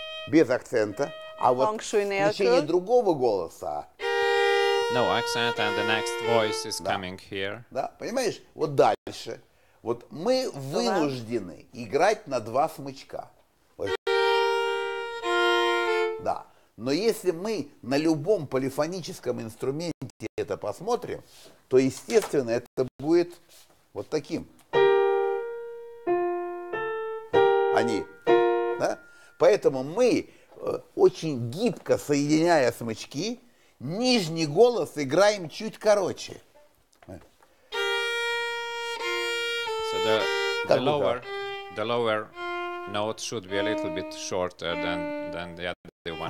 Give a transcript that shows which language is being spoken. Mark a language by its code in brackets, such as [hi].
[ru] Без акцента, а вот включение другого голоса. [en] No accent, and the next voice is coming here. [ru] Да, понимаешь? Вот дальше. Вот мы вынуждены играть на два смычка. Вот. Да. Но если мы на любом полифоническом инструменте это посмотрим, то, естественно, это будет вот таким. Они... Поэтому мы, очень гибко соединяя смычки, нижний голос играем чуть короче. [en] So the lower note should be a little bit shorter than the other one.